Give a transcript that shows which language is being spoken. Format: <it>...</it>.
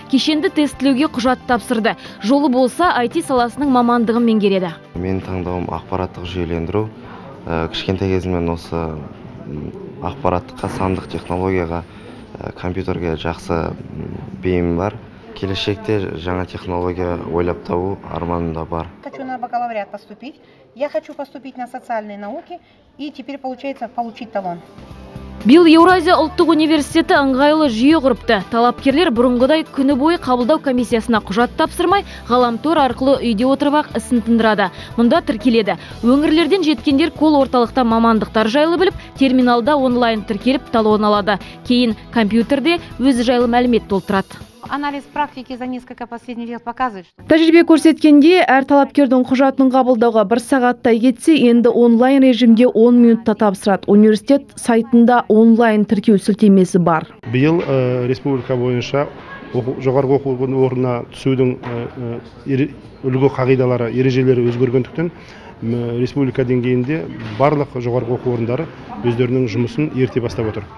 <kk>Кешенді тестілеуге құжат тапсырды. Жолы болса IT саласының мамандығын меңгереді. Мен таңдауым ақпараттық жүйелендіру. Кішкентай кезімнен осы ақпараттыққа, сандық технологияға, компьютерге жақсы бейім бар. Келешекте жаңа технология ойлап табу арманым да бар.</kk> <ru>Хочу на бакалавриат поступить. Я хочу поступить на социальные науки и теперь получается получить талон.</ru> <kk>Бил Еуразия ұлттық университеті ыңғайлы жүйе құрыпты. Талапкерлер бұрынғыдай күні бойы қабылдау комиссиясына құжат тапсырмай, ғаламтор арқылы үйде отырып-ақ ісін тындырады. Мұнда тіркеледі. Өңірлерден жеткендер кол орталықта мамандықтар жайлы біліп, терминалда онлайн тіркеліп талон алады. Кейін компьютерде өз жайлы мәлімет толтырады.</kk> <ru>Анализ практики за несколько последних лет показывает, что...</ru> <kk>Тәжірибе көрсеткенде, әр талапкердің құжатын қабылдауға бір сағаттай кетсе, енді онлайн режимге 10 минутта тапсырады. Университет сайтында онлайн тіркеу сілтемесі бар. Биыл республика бойынша жоғарғы оқу орнына түсудің үлгі қағидалары, ережелері өзгергендіктен, республика деңгейінде барлық жоғарғы оқу орындары өздерінің жұмысын ерте бастап отыр.</kk>